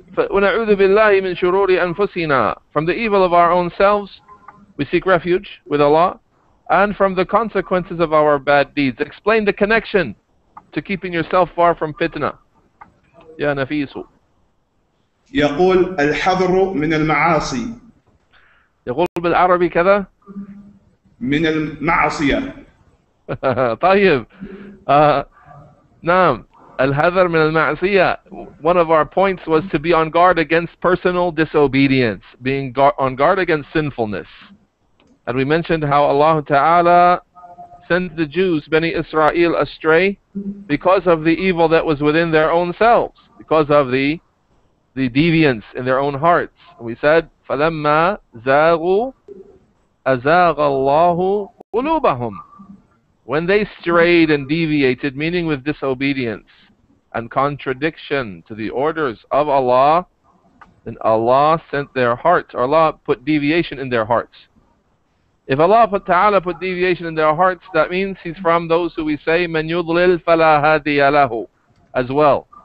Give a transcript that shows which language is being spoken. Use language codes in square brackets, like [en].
[ar] ونعوذ بالله من شرور أنفسنا. [en] From the evil of our own selves, we seek refuge with Allah, and from the consequences of our bad deeds. Explain the connection to keeping yourself far from fitna. [ar] Ya Nafisu. يقول الحذر من المعاصي. يقول بالعربي كذا. من المعصية. طيب. نعم. الحذر من المعصية. [en] One of our points was to be on guard against personal disobedience, being on guard against sinfulness. And we mentioned how Allah Ta'ala sent the Jews, Bani Israel, astray because of the evil that was within their own selves, because of the deviance in their own hearts. And we said, [ar] فَلَمَّا زَاغُوا أَزَاغَ اللَّهُ قُلُوبَهُمْ. [en] When they strayed and deviated, meaning with disobedience and contradiction to the orders of Allah, then Allah sent their hearts, or Allah put deviation in their hearts. If Allah Ta'ala put deviation in their hearts, that means He's from those who we say, [ar] مَنْ يُضْلِلْ فَلَا هَادِيَ لَهُ, [en] as well.